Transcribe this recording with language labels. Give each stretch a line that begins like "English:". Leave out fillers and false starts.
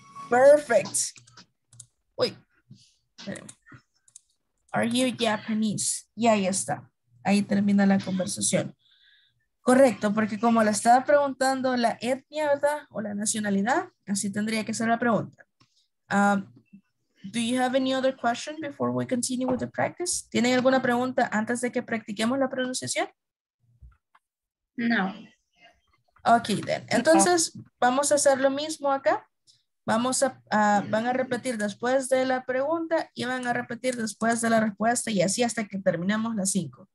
English: Perfect. Uy. Are you Japanese?
Spanish: Y ahí está. Ahí termina la conversación. Correcto, porque como le estaba preguntando la etnia, ¿verdad? O la nacionalidad, así tendría que ser la pregunta.
English: Do you have any other question before we continue with the practice?
Spanish: ¿Tienen alguna pregunta antes de que practiquemos la pronunciación? No.
English: Ok, then.
Spanish: Entonces, vamos a hacer lo mismo acá. Vamos a van a repetir después de la pregunta y van a repetir después de la respuesta y así hasta que terminemos las 5.